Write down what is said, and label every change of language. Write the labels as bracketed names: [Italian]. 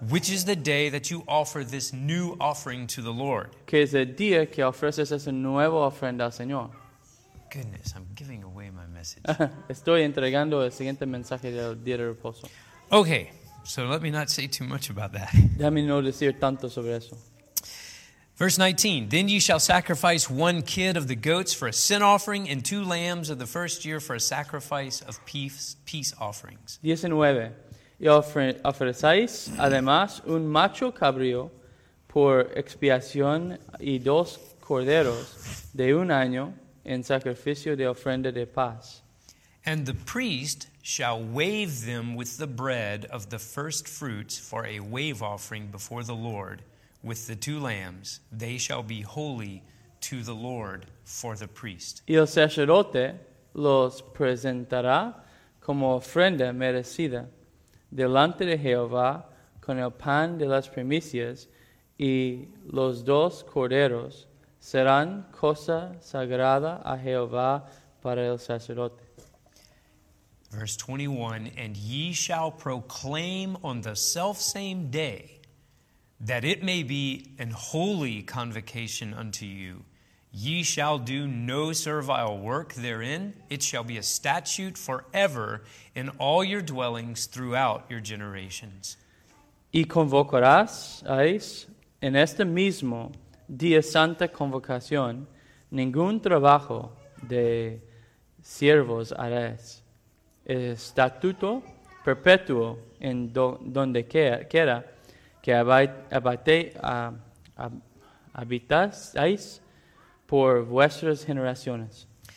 [English] Which is the day that you offer this new offering to the Lord. [Spanish] Que es el día que ofreces esa nueva ofrenda al Señor. [English] Goodness, I'm giving away my message. [Spanish] Estoy entregando el siguiente mensaje del día de reposo. [English] Okay, so let me not say too much about that. [Spanish] Déjame no decir tanto sobre eso. [English] Verse 19, then ye shall sacrifice one kid of the goats for a sin offering and two lambs of the first year for a sacrifice of peace offerings. [Spanish] 19, y ofreceréis además un macho cabrío por expiación y dos corderos de un año en sacrificio de ofrenda de paz. [English] And the priest shall wave them with the bread of the first fruits for a wave offering before the Lord. With the two lambs, they shall be holy to the Lord for the priest. [Spanish] Y el sacerdote los presentará como ofrenda merecida delante de Jehová con el pan de las primicias y los dos corderos serán cosa sagrada a Jehová para el sacerdote. [English] Verse 21, and ye shall proclaim on the selfsame day that it may be an holy convocation unto you. Ye shall do no servile work therein. It shall be a statute forever in all your dwellings throughout your generations. [Spanish] Y convocarás en este mismo día santa convocación, ningún trabajo de siervos harás. Es estatuto perpetuo en donde quiera que habitáis por vuestras generaciones.